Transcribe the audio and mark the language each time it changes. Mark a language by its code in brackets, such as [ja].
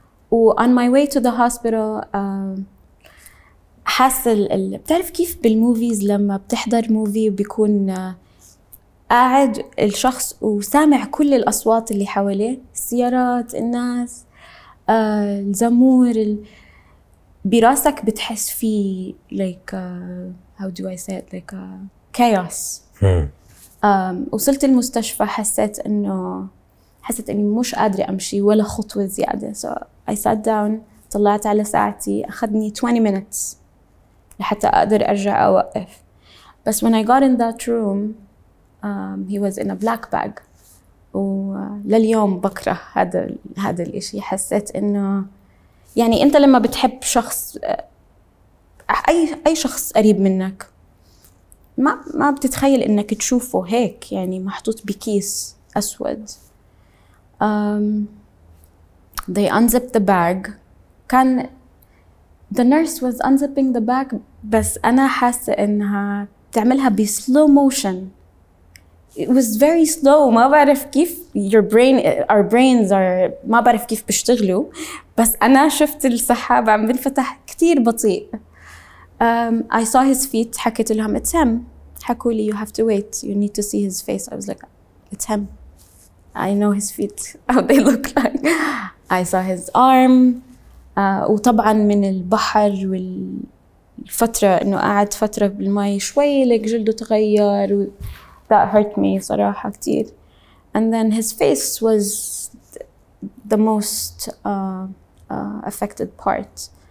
[ar] و on my way to the hospital حاسة بتعرف كيف بالموفيز لما بتحضر موفي وبيكون قاعد الشخص وسامع كل الأصوات اللي حواليه، السيارات، الناس، الزمور، براسك بتحس في like how do I say it like chaos. وصلت المستشفى حسيت إنه حسيت إني مش قادرة أمشي ولا خطوة زيادة. So I sat down، طلعت على ساعتي، أخذني 20 minutes لحتى أقدر أرجع أوقف. [en] بس when I got in that room he was in a black bag. [ar] ولليوم بكره هذا الإشي. حسيت إنه يعني أنت لما بتحب شخص، أي شخص قريب منك، ما بتتخيل إنك تشوفه هيك يعني محطوط بكيس أسود. [en] They unzipped the bag. كان the nurse was unzipping the bag، بس أنا حاسة إنها تعملها بslow motion. It was very slow. [ar] ما بعرف كيف your brain، our brains are، ما بعرف كيف بيشتغلوا، بس أنا شفت السحابة عم بنفتح كتير بطيء. [en] I saw his feet. حكيت لهم it's him. حكوا لي you have to wait. You need to see his face. I was like it's him. I know his feet. How they look like. I saw his arm. [ar] وطبعا من البحر والفترة إنه قاعد فترة بالماء شوي لك جلده تغير. [en] That hurt me صراحة كتير. And then his face was the most affected part.